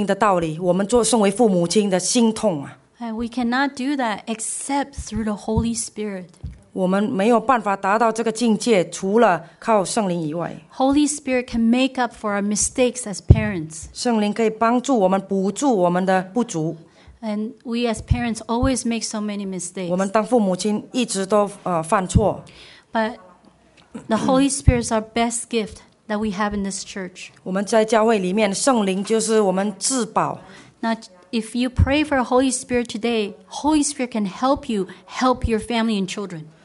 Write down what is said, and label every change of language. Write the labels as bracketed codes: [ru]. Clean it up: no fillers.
[zh] 但是有时候呢，要神来好像开动手术一样，改变我们心孩子的心理呢，好像我们今天我们所听的道理，我们做身为父母亲的心痛啊。 [en] And we cannot do that except through the Holy Spirit. [zh] 我们没有办法达到这个境界，除了靠圣灵以外。 [en] Holy Spirit can make up for our mistakes as parents. [zh] 圣灵可以帮助我们补足我们的不足。 [en] And we as parents always make so many mistakes. [zh] 我们当父母亲一直都犯错。 [en] But the Holy Spirit is our best gift that we have in this church. [zh] 我们在教会里面，圣灵就是我们至宝。 [en] Now, if you pray for the Holy Spirit today, Holy Spirit can help you help your family and children.